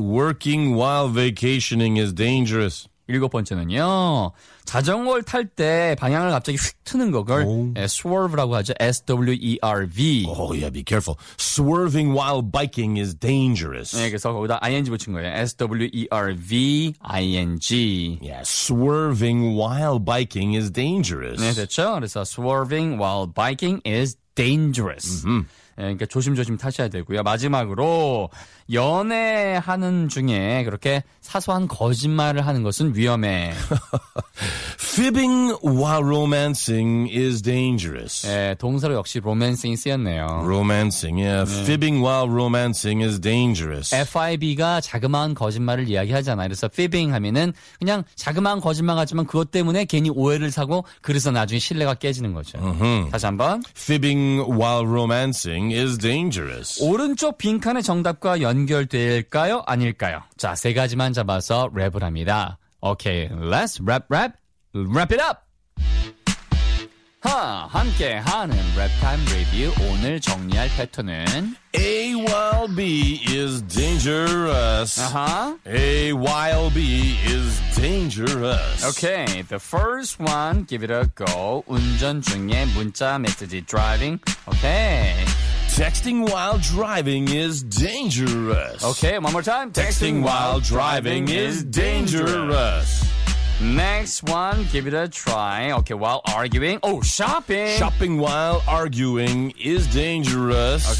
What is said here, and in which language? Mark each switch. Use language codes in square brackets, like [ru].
[en] Working while vacationing is dangerous. [ko] 일곱 번째는요. 자전거를 탈 때 방향을 갑자기 휙 트는 거걸 swerve라고 하죠. [en] S-W-E-R-V. Oh, yeah, be careful. Swerving while biking is dangerous. [ko] 네, 그래서 거기다 ing 붙인 거예요. [en] S-W-E-R-V-I-N-G. Yeah, swerving while biking is dangerous. [ko] 네, 됐죠. 그래서 [en] swerving while biking is dangerous. Mm-hmm. [ko] 그러니까 조심조심 타셔야 되고요. 마지막으로 연애하는 중에 그렇게 사소한 거짓말을 하는 것은 위험해. [en] Fibbing while romancing is dangerous. [ko] 예, 동사로 역시 romancing이 쓰였네요. [en] Romancing, yeah. 네. Fibbing while romancing is dangerous. [ko] FIB가 자그마한 거짓말을 이야기하잖아요. 그래서 fibbing 하면은 그냥 자그마한 거짓말 같지만 그것 때문에 괜히 오해를 사고 그래서 나중에 신뢰가 깨지는 거죠. Uh-huh. 다시 한번. [en] Fibbing while romancing is dangerous. [ko] 오른쪽 빈칸의 정답과 연결될까요? 아닐까요? 자, 세 가지만 잡아서 랩을 합니다. [en] Okay, let's rap, rap. Wrap it up! [ko] 하, 함께 하는 랩 타임 리뷰. 오늘 정리할 패턴은 [en] A while B is dangerous. Uh-huh. A while B is dangerous. Okay, the first one, give it a go. [ko] 운전 중에 문자 메시지 driving. [en] Okay. Texting while driving is dangerous. Okay, one more time. Texting while driving is dangerous. Next one, give it a try. Okay, while arguing. Oh, shopping. Shopping while arguing is dangerous.